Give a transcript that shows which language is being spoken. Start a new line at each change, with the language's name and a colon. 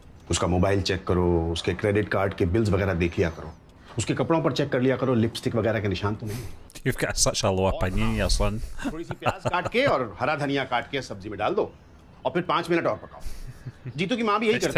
Hindi: उसका mobile check करो, उसके क्रेडिट कार्ड के बिल्स वगैरह देख लिया करो. उसके कपड़ों पर चेक कर लिया करो लिपस्टिक वगैरह के निशान तो नहीं
English: You've got such a low opinion, your son.
Hindi: थोड़ी सी प्याज काट के और हरा धनिया काट के सब्जी में डाल दो और फिर 5 मिनट और पकाओ जीतू की मां भी यही करती